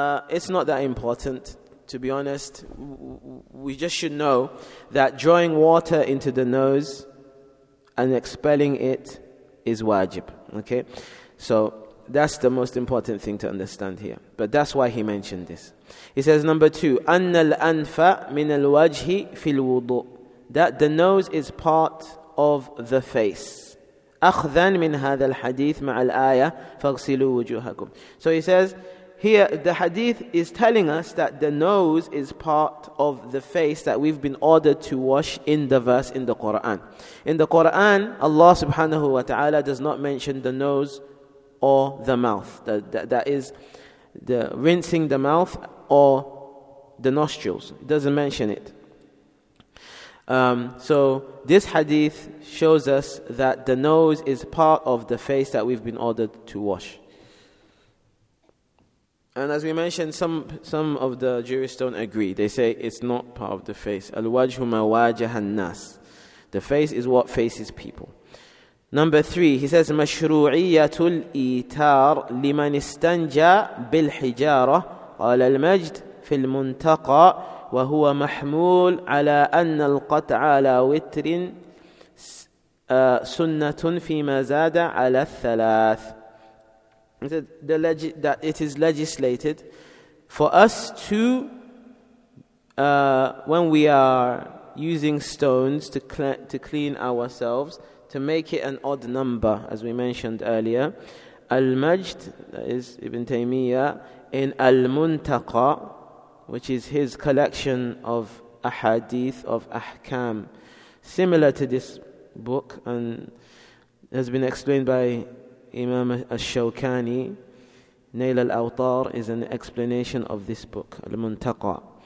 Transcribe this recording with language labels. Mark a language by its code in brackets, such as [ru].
[en] It's not that important, to be honest. We just should know that drawing water into the nose and expelling it is wajib. Okay? So that's the most important thing to understand here. But that's why he mentioned this. He says, number two, [ar] أن الأنف من الوجه في الوضوء, [en] that the nose is part of the face. [ar] أخذا من هذا الحديث مع الآية فاغسلوا وجوهكم. [en] So he says, here the hadith is telling us that the nose is part of the face that we've been ordered to wash in the verse in the Quran. In the Quran, Allah subhanahu wa ta'ala does not mention the nose or the mouth. That is the rinsing the mouth or the nostrils. It doesn't mention it. So this hadith shows us that the nose is part of the face that we've been ordered to wash. And as we mentioned, some of the jurists don't agree. They say it's not part of the face. [ar] الْوَجْهُ مَا وَاجَهَ النَّاسِ. [en] The face is what faces people. Number three, he says, [ar] مَشْرُوعِيَّةُ الْإِيْتَارِ لِمَنِ اسْتَنْجَى بِالْحِجَارَةِ قَالَ الْمَجْدِ فِي الْمُنْتَقَى وَهُوَ مَحْمُولْ عَلَىٰ أَنَّ الْقَطْعَ عَلَىٰ وِتْرٍ سُنَّةٌ فِي مَا زَادَ عَلَىٰ الثَّلَاثِ. [en] That it is legislated for us to, when we are using stones to clean ourselves, to make it an odd number, as we mentioned earlier. Al-Majd, that is Ibn Taymiyyah, in Al-Muntaqa, which is his collection of ahadith, of ahkam, similar to this book, and has been explained by Imam al-Shawkani, Nail al-Awtar is an explanation of this book, al-Muntaqa.